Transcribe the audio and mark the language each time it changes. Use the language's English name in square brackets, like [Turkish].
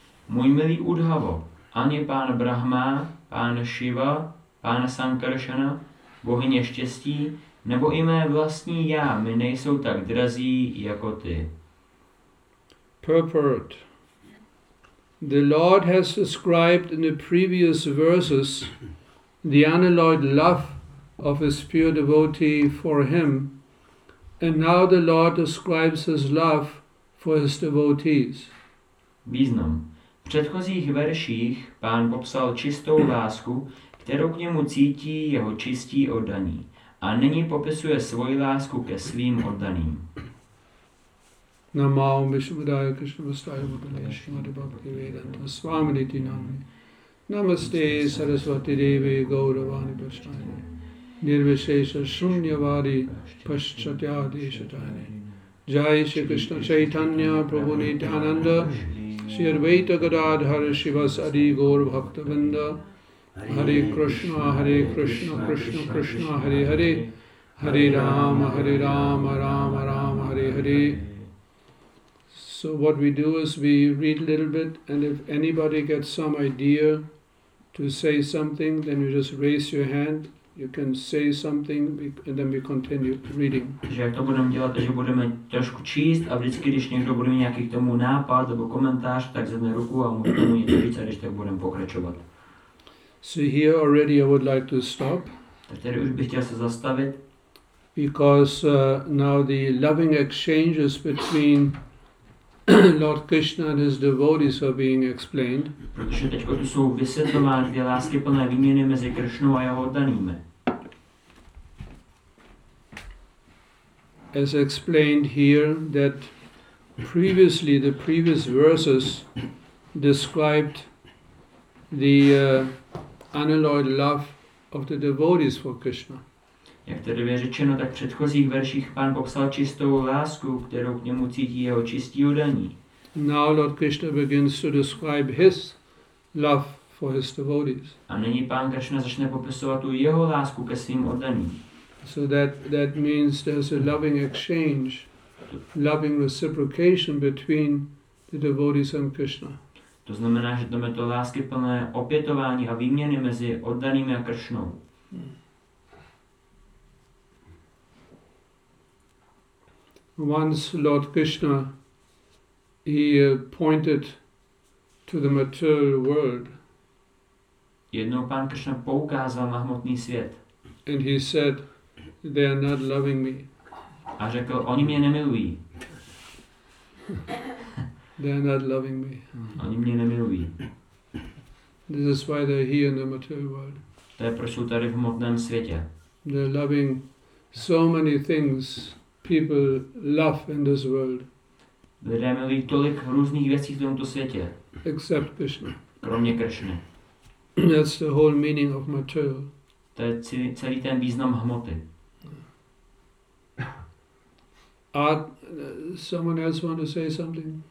[Czech] Můj milý Uddhavo, ani pán Brahma, pán Shiva, pán Sankarshana, bohyně štěstí, nebo i mé vlastní já, mi nejsou tak drazí jako ty. [English] Purport. The Lord has described in the previous verses the unalloyed love of His pure devotee for Him, and now the Lord describes His love for His devotees. [Czech] Význam. V předchozích verších pán popsal čistou lásku, kterou k němu cítí jeho čistí oddaní, a nyní popisuje svoji lásku ke svým oddaným. [Sanskrit] Namo Om Vishvadaya Krishna Vastaya Vakale Srimati Bhakti Vedanta Swamini Tinami Namaste Saraswati Devi Gauravani Pashtani Nirvishesha Shunyavadi Paschatyadi Shatani Jai Shri Krishna Chaitanya Prabhu Nityananda Shri Advaita Gadadhara Shivas Adi Gaur Bhaktavinda Hare Krishna Hare Krishna Krishna Krishna Hare Hare Hare Rama Hare Rama Rama Rama Hare Hare. [English] So what we do is we read a little bit, and if anybody gets some idea to say something, then you just raise your hand. You can say something, and then we continue reading. [Czech] Že to budeme dělat, že budeme trošku číst, a vždycky, když někdo bude mít nějaký k tomu nápad nebo komentář, tak zvedne ruku a můžeme tomu něco říct, a když tak budeme pokračovat. [English] So here already I would like to stop. [Czech] Tak tady už bych chtěl se zastavit. [English] Because now the loving exchanges between Lord Krishna and his devotees are being explained. [Czech] Protože teďko tu jsou vysvětlovány dvě lásky plné výměny mezi Krishnou a jeho oddanými. [English] As explained here that previously the previous verses described the unalloyed love of the devotees for Krishna. [Czech] Jak tedy je řečeno, tak v předchozích verších pán popsal čistou lásku, kterou k němu cítí jeho čistí oddaní. [English] Now Lord Krishna begins to describe his love for his devotees. [Czech] A nyní pán Krishna začne popisovat tu jeho lásku ke svým oddaním. [English] So that means there's a loving exchange, loving reciprocation between the devotees and Krishna. [Czech] To znamená, že tam je to láskyplné opětování a výměny mezi oddanými a Kršnou. [English] Once Lord Krishna, he pointed to the material world. [Czech] Jednou pán Krishna poukázal na hmotný svět. [English] And he said, they are not loving me. [Czech] A řekl, oni mě nemilují. [English] They are not loving me. [Czech] Oni mě nemilují. [English] This is why they are here in the material world. [Czech] To je, proč jsou tady v hmotném světě. [English] They are loving so many things people love in this world. [Czech] Lidé milují tolik různých věcí v tomto světě. [English] Except Krishna. [Czech] Kromě Krishny. [English] That's the whole meaning of material. [Czech] To je celý ten význam hmoty. [English] Someone else want to say something?